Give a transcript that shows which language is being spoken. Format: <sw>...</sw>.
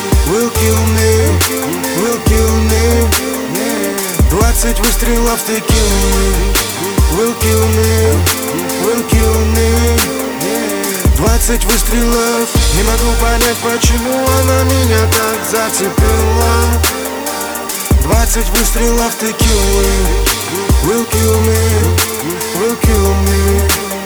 <en>Will kill me, will kill me.</en> <ru>20 выстрелов текилы.</ru> <en>Will kill me, will kill me.</en> <ru>20 выстрелов. Не могу понять, почему она меня так зацепила. 20 выстрелов текилы.</ru> <en>Will kill me, will kill me.</en>